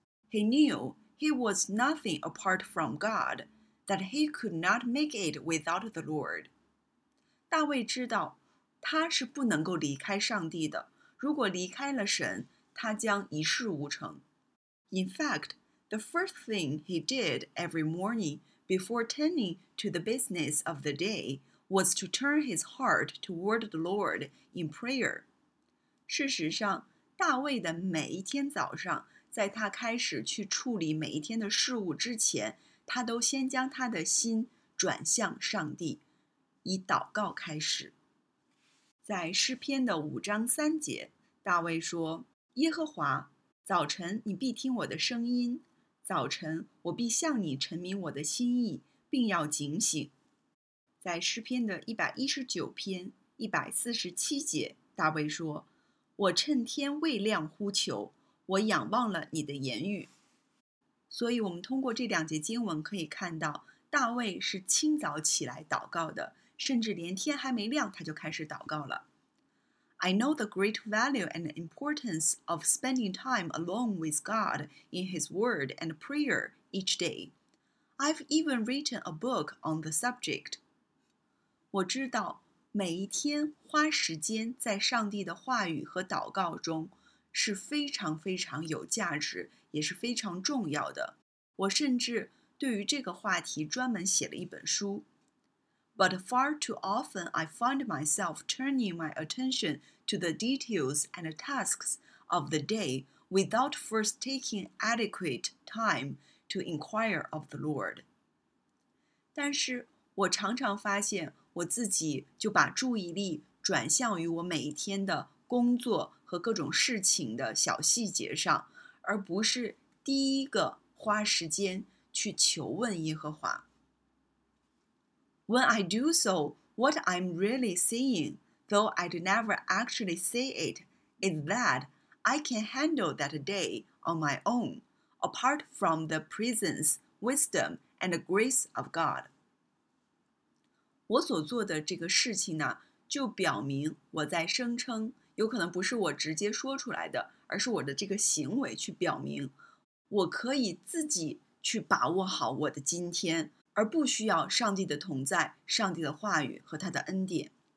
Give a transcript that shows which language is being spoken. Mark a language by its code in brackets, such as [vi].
[en] He knew. He was nothing apart from God, that he could not make it without the Lord. [zh] 大卫知道他是不能够离开上帝的，如果离开了神，他将一事无成。 [en] In fact, the first thing he did every morning before tending to the business of the day was to turn his heart toward the Lord in prayer. [zh] 事实上，大卫的每一天早上，在他开始去处理每一天的事物之前，他都先将他的心转向上帝，以祷告开始。在诗篇的五章三节，大卫说：耶和华，早晨你必听我的声音，早晨我必向你陈明我的心意，并要警醒。在诗篇的119篇147节，大卫说：我趁天未亮呼求，我仰望了你的言语。所以我们通过这两节经文可以看到，大卫是清早起来祷告的，甚至连天还没亮他就开始祷告了。 [en] I know the great value and importance of spending time alone with God in His word and prayer each day. I've even written a book on the subject. [zh] 我知道每一天花时间在上帝的话语和祷告中是非常非常有价值，也是非常重要的。我甚至对于这个话题专门写了一本书。 [en] But far too often I find myself turning my attention to the details and tasks of the day without first taking adequate time to inquire of the Lord. [zh] 但是我常常发现我自己就把注意力转向于我每一天的工作和各种事情的小细节上，而不是第一个花时间去求问耶和华。 [en] When I do so, what I'm really seeing, though I'd never actually say it, is that I can handle that day on my own, apart from the presence, wisdom, and grace of God. [zh] 我所做的这个事情呢，就表明我在声称，有可能不是我直接说出来的，而是我的这个行为去表明我可以自己去把握好我的今天，而不需要上帝的同在、上帝的话语和他的恩典。